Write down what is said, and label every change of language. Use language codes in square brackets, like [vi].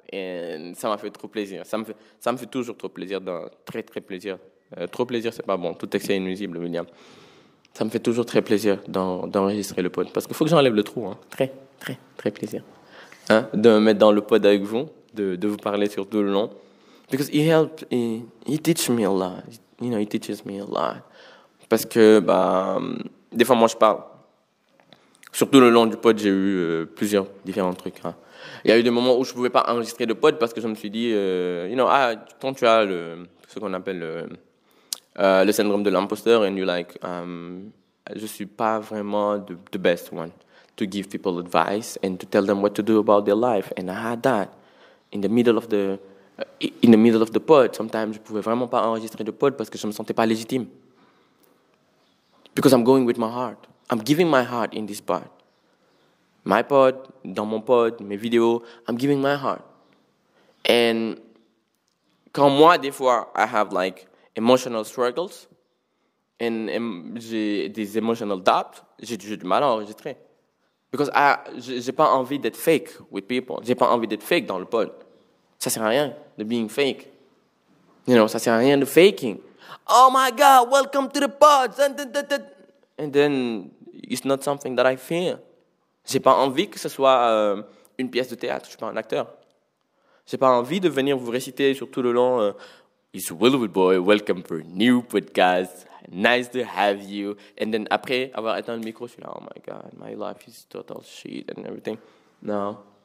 [fr] And ça m'a fait trop plaisir. Ça me fait toujours trop plaisir, très très plaisir. Trop plaisir, c'est pas bon, tout excès est nuisible, William. Ça me fait toujours très plaisir d'enregistrer le pod. Parce qu'il faut que j'enlève le trou, hein. Très, très, très plaisir. Hein, de me mettre dans le pod avec vous, de vous parler sur tout le long. [en] Because it helps, it teaches me a lot. You know, it teaches me a lot. [fr] Parce que, des fois, moi, je parle. Surtout le long du pod, j'ai eu plusieurs différents trucs. Hein. Il y a eu des moments où je ne pouvais pas enregistrer le pod parce que je me suis dit, quand tu as ce qu'on appelle le syndrome de l'imposteur, [en] and you're like, [fr] je ne suis pas vraiment [en] the best one to give people advice and to tell them what to do about their life. And I had that in the middle of the pod. Sometimes, [fr] je ne pouvais vraiment pas enregistrer le pod parce que je ne me sentais pas légitime. [en] Because I'm going with my heart. I'm giving my heart in this pod. My pod, [fr] dans mon pod, [en] mes vidéos, I'm giving my heart. [fr] And quand moi, des fois, [en] I have like emotional struggles and [fr] j'ai des [en] emotional doubts, [fr] j'ai du mal à enregistrer. [en] Because [fr] j'ai pas envie d'être fake [en] with people. [fr] J'ai pas envie d'être fake dans le pod. Ça sert à rien de [en] being fake. You know, [fr] ça sert à rien de [en] faking. Oh my God, welcome to the pod. And then, it's not something that I fear. [fr] J'ai pas envie que ce soit une pièce de théâtre. Je suis pas un acteur. J'ai pas envie de venir vous réciter sur tout le long. [en] It's Willwood Boy, welcome for a new podcast. Nice to have you. And then, [fr] après avoir éteint le micro, je suis là, [en] oh my God, my life is total shit and everything. No.